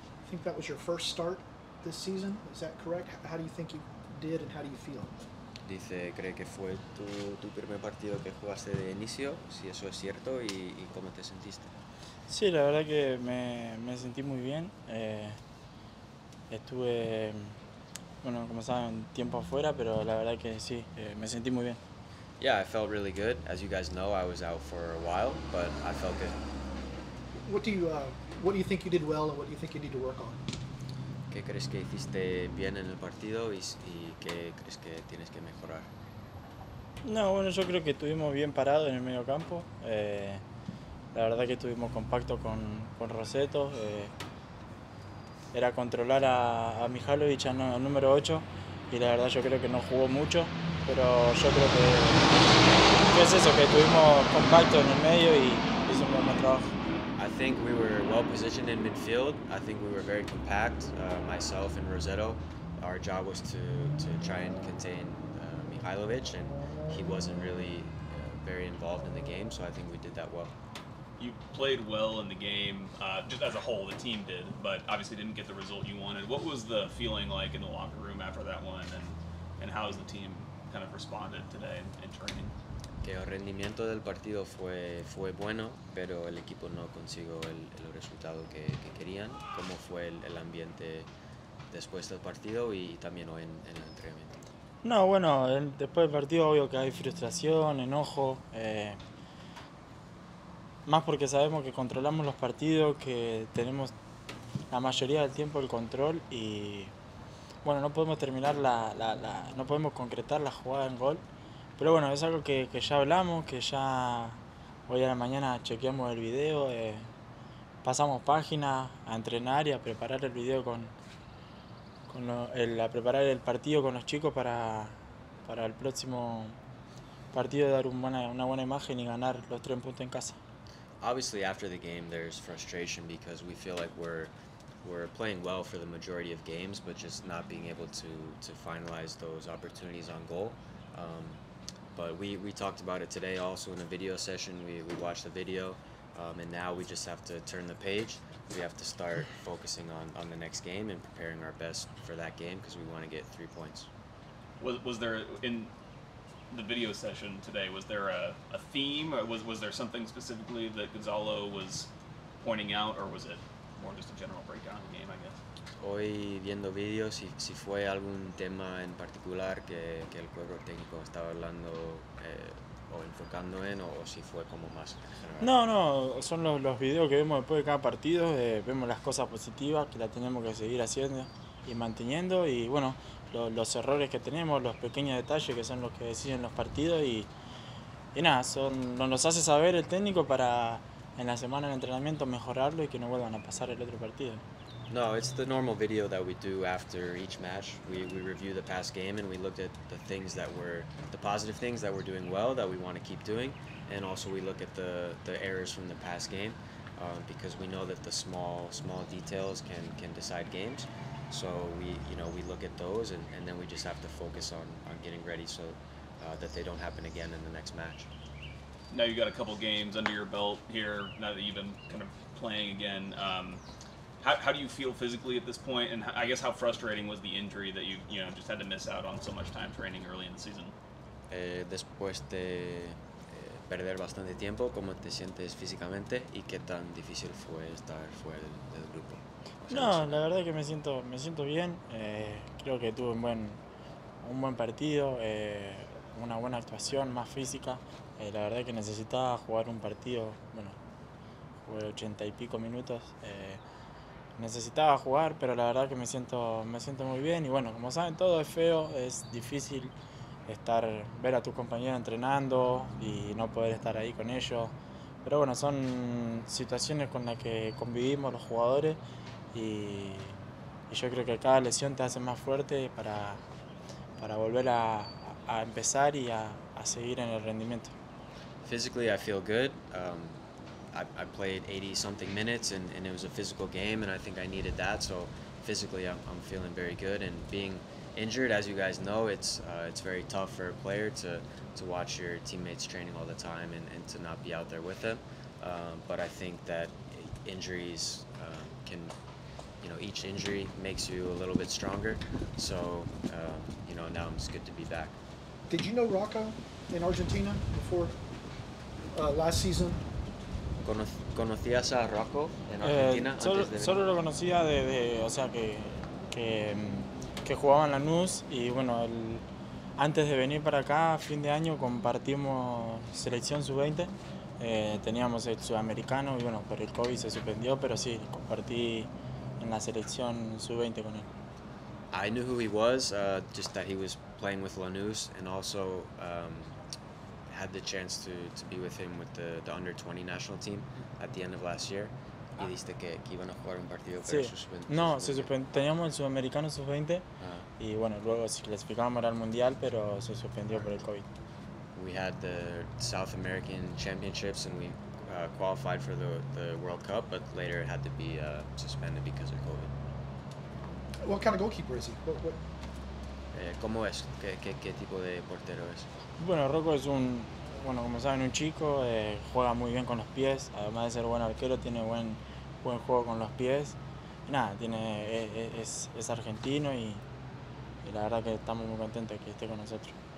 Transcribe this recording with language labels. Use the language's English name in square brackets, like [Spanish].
[English] I think that was your first start this season. Is that correct? How do you think you did, and how do you feel? [Spanish] Dice, cree que fue tu primer partido que jugaste de inicio, si eso es cierto, y cómo te sentiste. Sí, la verdad que me sentí muy bien. Estuve, bueno, como saben, tiempo afuera, pero la verdad que sí, me sentí muy bien. [English] Yeah, I felt really good. As you guys know, I was out for a while, but I felt good. What do you think you did well, and what do you think you need to work on? [Spanish] ¿Qué crees que hiciste bien en el partido y qué crees que tienes que mejorar? No, bueno, yo creo que estuvimos bien parados en el medio campo. La verdad que estuvimos compacto con Roseto. Era controlar a Mihalovic, al número 8, y la verdad yo creo que no jugó mucho, pero yo creo que es eso, que estuvimos compacto en el medio y hizo un buen trabajo. [English] I think we were well positioned in midfield. I think we were very compact, myself and Rosetto. Our job was to try and contain Mihailovic, and he wasn't really very involved in the game, so I think we did that well. You played well in the game, just as a whole, the team did, but obviously didn't get the result you wanted. What was the feeling like in the locker room after that one, and how has the team kind of responded today in training? [Spanish] El rendimiento del partido fue bueno, pero el equipo no consiguió el resultado que querían. ¿Cómo fue el ambiente después del partido y también hoy en el entrenamiento? No, bueno, después del partido obvio que hay frustración, enojo. Más porque sabemos que controlamos los partidos, que tenemos la mayoría del tiempo el control y bueno, no podemos terminar no podemos concretar la jugada en gol. Pero bueno, es algo que ya hablamos, que ya hoy a la mañana chequeamos el video, pasamos página a entrenar y a preparar el video a preparar el partido con los chicos para el próximo partido dar una buena imagen y ganar los 3 puntos en casa. [English] Obviously after the game there's frustration because we feel like we're playing well for the majority of games but just not being able to finalize those opportunities on goal. But we talked about it today also in a video session. We watched the video, and now we just have to turn the page. We have to start focusing on the next game and preparing our best for that game because we want to get 3 points. Was there, in the video session today, was there a theme? Or was there something specifically that Gonzalo was pointing out, or was it more just a general breakdown of the game, I guess? [Spanish] Hoy viendo vídeos, si fue algún tema en particular que el cuerpo técnico estaba hablando o enfocando en, o si fue como más en general. No, no, son los vídeos que vemos después de cada partido, vemos las cosas positivas que las tenemos que seguir haciendo y manteniendo, y bueno, los errores que tenemos, los pequeños detalles que son los que deciden los partidos, y nada, nos hace saber el técnico para en la semana de entrenamiento mejorarlo y que no vuelvan a pasar el otro partido. [English] No, it's the normal video that we do after each match. We review the past game and we looked at the positive things that we're doing well that we want to keep doing, and also we look at the errors from the past game, because we know that the small details can decide games. So we look at those and then we just have to focus on getting ready so that they don't happen again in the next match. Now you've got a couple games under your belt here. Now that you've been kind of playing again. How do you feel physically at this point, and I guess how frustrating was the injury that you just had to miss out on so much time training early in the season? [Spanish] Después de perder bastante tiempo, ¿cómo te sientes físicamente y qué tan difícil fue estar fuera del grupo? No, la verdad es que me siento bien. Creo que tuve un buen partido, una buena actuación, más física. La verdad es que necesitaba jugar un partido, bueno, jugué 80 y pico minutos. Necesitaba jugar, pero la verdad que me siento muy bien. Y bueno, como saben, todo es feo, es difícil estar ver a tus compañeros entrenando y no poder estar ahí con ellos. Pero bueno, son situaciones con las que convivimos los jugadores y yo creo que cada lesión te hace más fuerte para volver a empezar y a seguir en el rendimiento. [English] Physically I feel good. I played 80-something minutes, and it was a physical game, and I think I needed that, so physically I'm feeling very good. And being injured, as you guys know, it's very tough for a player to watch your teammates training all the time and to not be out there with them. But I think that injuries can you know, each injury makes you a little bit stronger. So, you know, now I'm just good to be back. Did you know Rocco in Argentina before last season? [Spanish] ¿Conocías a Rocco en Argentina antes de... Solo lo conocía de o sea, que jugaba en Lanús y bueno, el, antes de venir para acá, a fin de año, compartimos selección sub-20. Teníamos el sudamericano y bueno, por el COVID se suspendió, pero sí, compartí en la selección sub-20 con él. [English] I knew who he was, just that he was playing with Lanús and also had the chance to be with him with the under-20 national team at the end of last year. [Spanish] Y dijiste que iban a jugar un partido, pero sí. Teníamos el sudamericano sub-20 y bueno, luego se clasificamos al mundial, pero se suspendió por el COVID. [English] We had the South American Championships and we qualified for the World Cup, but later it had to be suspended because of COVID. What kind of goalkeeper is he? What? [Spanish] ¿Cómo es? ¿Qué tipo de portero es? Bueno, Rocco es un, bueno, como saben, un chico, juega muy bien con los pies, además de ser buen arquero, tiene buen juego con los pies. Y nada, es argentino y la verdad que estamos muy contentos de que esté con nosotros.